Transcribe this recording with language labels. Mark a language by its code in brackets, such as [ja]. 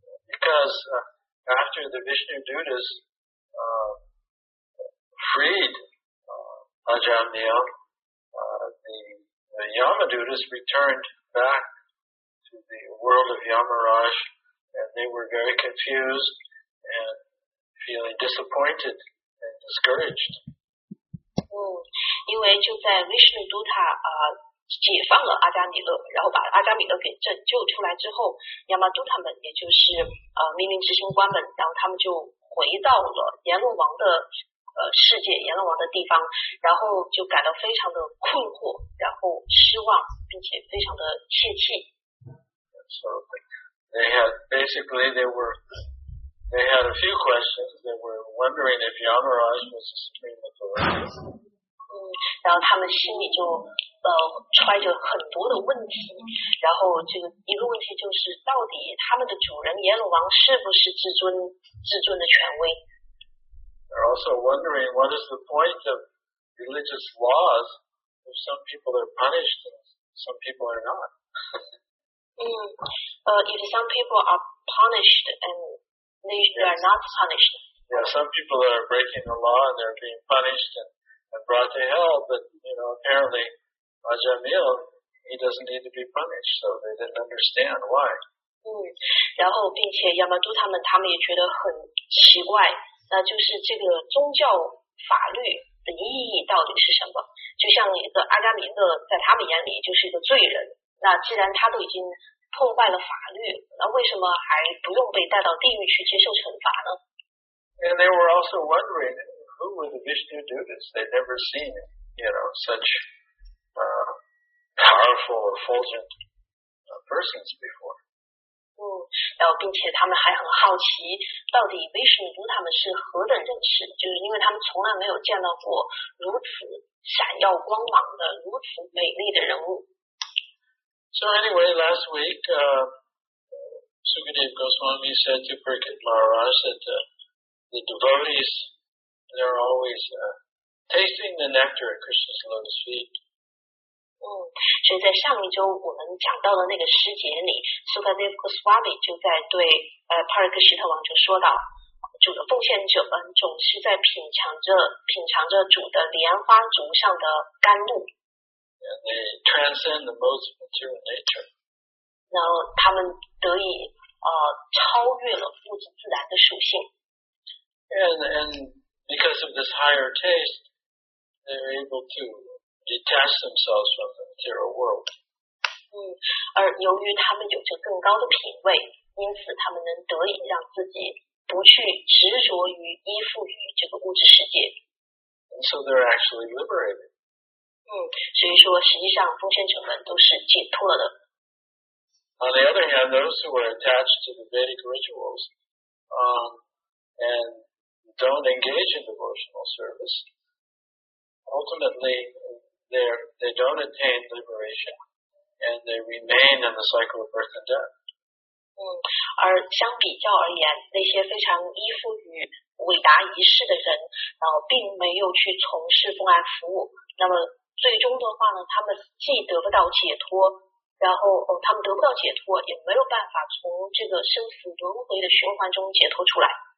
[en] Because after the Vishnu Dutas freedAjamnil, the Yamadutas returned back to the world of Yamaraj, and they were very confused and feeling disappointed and discouraged. [zh] 因为就在 Vishnu Dutta 解放了阿加米勒，然后把阿加米勒给拯救出来之后，亚麻都他们，也就是命令执行官们，然后他们就回到了阎罗王的世界，阎罗王的地方，然后就感到非常的困惑，然后失望，并且非常的泄气。 [en] So they had basically they had a few questions. They were wondering if Yamaraj was the supreme authority. [zh] 然后他们心里就揣着很多的问题，然后这个一个问题就是到底他们的主人阎罗王是不是至尊的权威。 [en] They're also wondering what is the point of religious laws if some people are punished and some people are not. If some people are punished and they are not punished. Yeah, some people are breaking the law and they're being punished and brought to hell, but you know, apparently Ajamil, he doesn't need to be punished, so they didn't understand why. [zh] 然后并且亚玛都他们也觉得很奇怪，那就是这个宗教法律的意义到底是什么？就像一个阿加米勒在他们眼里就是一个罪人，那既然他都已经破坏了法律，那为什么还不用被带到地狱去接受惩罚呢？ [en] And they were also wondering who were the Vishnu Dutas. They'd never seen, you know, such powerful effulgent persons before. [zh] 然后并且他们还很好奇到底 Vishnu Dutas 他们是何等认识，就是因为他们从来没有见到过如此闪耀光芒的如此美丽的人物。 [en] So anyway, last week, Sukadeva Goswami said to Prakrit Maharaj that the devotees, they're always tasting the nectar at Krishna's lotus feet. [zh] 所以在上一周我们讲到的那个师节里， Sukadeva Goswami 就在对帕瑞克什特王就说到，主的奉献者们总是在品尝着主的莲花足上的甘露。 [en] And they transcend the modes of material nature. [zh] 然后他们得以超越了物质自然的属性。 [en] And because of this higher taste, they're able to detach themselves from the material world. [zh] 而由于他们有着更高的品位，因此他们能得以让自己不去执着于依附于这个物质世界。 [en] And so they're actually liberated. [zh] 所以说实际上奉献者们都是解脱了的。 [en] On the other hand, those who are attached to the Vedic rituals, and don't engage in devotional service, ultimately they don't attain liberation, and they remain in the cycle of birth and death. [zh] 而相比较而言，那些非常依附于伟大仪式的人，然后并没有去从事奉献服务，那么最终的话呢，他们既得不到解脱，然后他们得不到解脱，也没有办法从这个生死轮回的循环中解脱出来。